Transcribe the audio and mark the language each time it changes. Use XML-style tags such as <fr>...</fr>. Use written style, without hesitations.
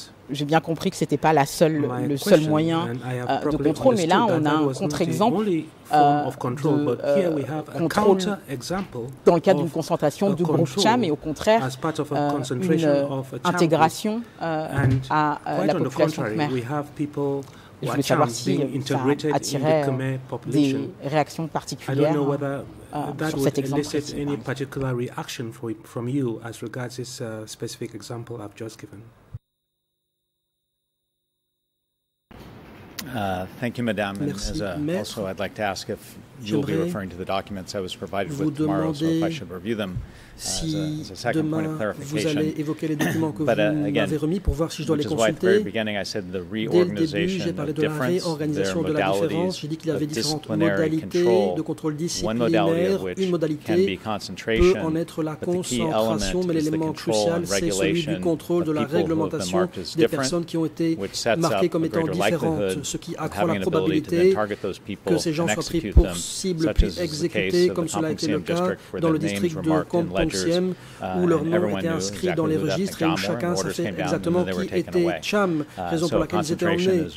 <fr>j'ai bien compris que ce n'était pas la seule, le seul moyen de contrôle, mais là, on a un contre-exemple de contrôle dans le cadre d'une concentration du groupe Cham, et au contraire, une intégration à la population Khmer. Je voulais savoir si ça attirait des réactions particulières sur cet exemple précis.</fr> <en>Any particular reaction from you as regards this specific example I've just given? Thank you, Madame.</en> <fr>Merci, maître.</fr> <en>Also, I'd like to ask if you will be referring to the documents I was provided with tomorrow, so if I should review them as a second</en> <fr>demain</fr> <en>point of clarification.</en> <fr>Vous allez évoquer les documents que vous m'avez remis pour voir si je dois les consulter.</fr> <en>Which is why at the very beginning I said the reorganization</en> <fr>de la différence. J'ai dit qu'il y avait différentes modalités de contrôle disciplinaire. Une modalité peut en être la concentration, mais l'élément crucial, c'est celui du contrôle de la réglementation des personnes qui ont été marquées comme étant différentes, ce qui accroît la probabilité que ces gens soient pris pour cible puis exécutés, comme cela a été le cas dans le district de Kampong Siem, où leurs noms étaient inscrits dans les registres et où chacun savait exactement qui était Cham, raison pour laquelle ils étaient emmenés.</fr>